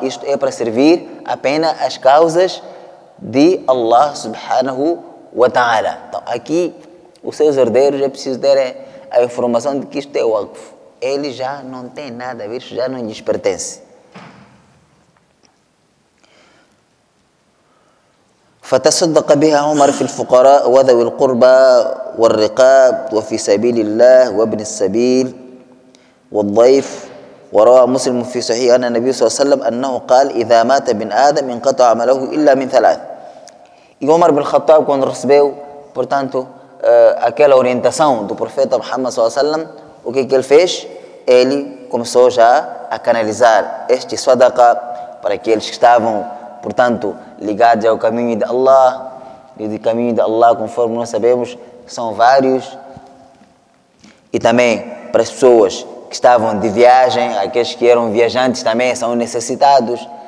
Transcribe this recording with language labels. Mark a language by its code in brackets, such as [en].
[pt] Isto é para servir apenas as causas de Allah subhanahu wa ta'ala. Então, aqui, os seus herdeiros é preciso ter a informação de que isto é waqf. Ele já não tem nada a ver, já não lhes pertence. [ar] فتصدق بها عمر في الفقراء وذوي القربى والرقاب وفي سبيل الله وابن السبيل والضيف. وروى مسلم في صحيح أن النبي صلى الله عليه وسلم أنه قال إذا مات ابن آدم انقطع عمله إلا من ثلاث. عمر بن الخطاب كان رسبيو [pt] portanto aquela orientação do profeta Muhammad صلى الله عليه وسلم. O que ele fez? Ele começou já a canalizar este sadaqa para aqueles que estavam, portanto, ligados ao caminho de Allah. E o caminho de Allah, conforme nós sabemos, são vários. E também para as pessoas que estavam de viagem, aqueles que eram viajantes também são necessitados.